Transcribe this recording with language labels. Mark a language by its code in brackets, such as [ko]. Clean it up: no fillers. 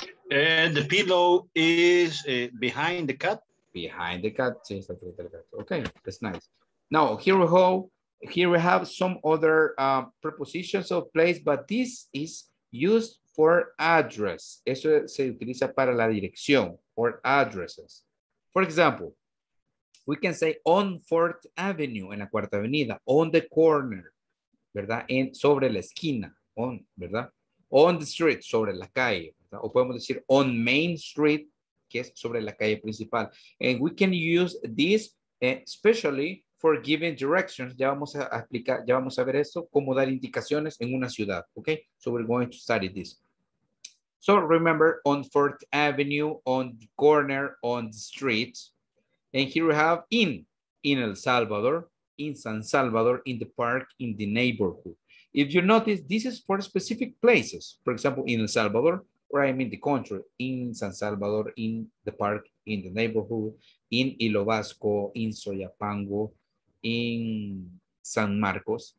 [en] And the pillow is behind the cat. Behind the cat. Okay, that's nice. Now, here we have some other prepositions of place, but this is used for address. [es] Eso se utiliza para la dirección [en] or addresses. For example, we can say on 4th Avenue, [es] en la cuarta avenida, [en] on the corner. ¿Verdad? [es] En, sobre la esquina, on, ¿verdad? [en] On the street, [es] sobre la calle, ¿verdad? O podemos decir on Main Street, que es sobre la calle principal. [en] And we can use this especially for giving directions. [es] Ya vamos a explicar, ya vamos a ver eso, cómo dar indicaciones en una ciudad, okay? [en] So we're going to study this. So remember, on 4th Avenue, on the corner, on the street. And here we have in El Salvador, in San Salvador, in the park, in the neighborhood. If you notice, this is for specific places. For example, in El Salvador, or I mean the country, in San Salvador, in the park, in the neighborhood, in Ilobasco, in Soyapango, in San Marcos.